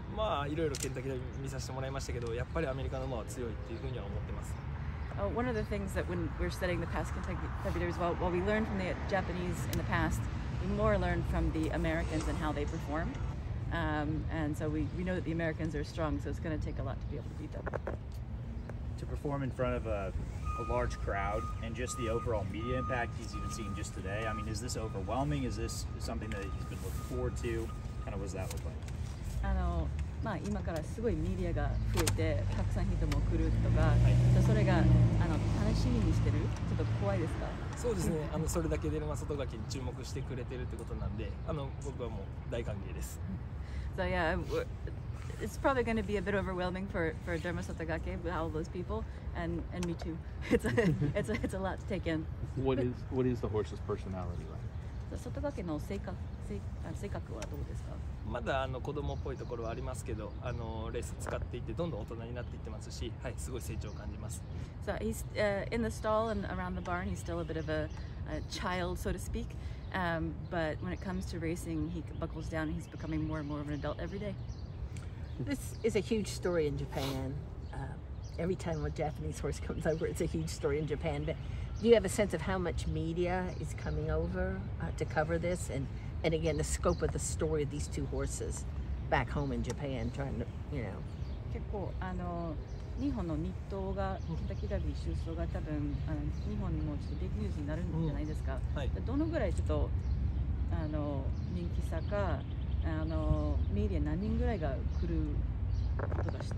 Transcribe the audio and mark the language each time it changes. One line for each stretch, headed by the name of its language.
Japanese: まあいろいろケンタキで見させてもらいましたけど、やっぱりアメリカの馬は強いっていうふうには思ってます。
English: One of the things that when we're studying the past Kentucky Derby, while we learn from the Japanese in the past, we more learn from the Americans and how they perform. And so we know that the Americans are strong, so it's going to take a lot to be able to beat them. To perform in front of a large crowd and just the overall media impact he's even seen just today, I mean, is this overwhelming? Is this something that he's been looking forward to? Kind of what does that look like?
Japanese: まあ、今からすごいメディアが増えてたくさん人も来るとか、はい、それが楽しみにしてる、ちょっと怖いですか？そうですね、それだけデルマ・ソトガケに注目してくれてるってことなんで、僕はもう大歓迎です。
English: So yeah, it's probably going to be a bit overwhelming for Derma Sotogake with all those people, and me too. It's a lot to take in. What is the horse's personality like?
Japanese: 外掛けの性格はどうですか？まだ子供っぽいところはありますけど、レース使っていてどんどん大人になっていってますし、はい、すごい成長を感じます。
English: So he's in the stall and around the barn, he's still a bit of a child, so to speak. But when it comes to racing, he buckles down and he's becoming more and more of an adult every day. This is a huge story in Japan. Every time a Japanese horse comes over, it's a huge story in Japan. But do you have a sense of how much media is coming over to cover this? And again, the scope of the story of these two horses back home in Japan, trying to, you know.
Japanese: 結構日本の日東がケンタキーダービー出走が多分日本にもちょっとビッグニュースになるんじゃないですか。はい、どのぐらいちょっと人気差か、メディア何人ぐらいが来る。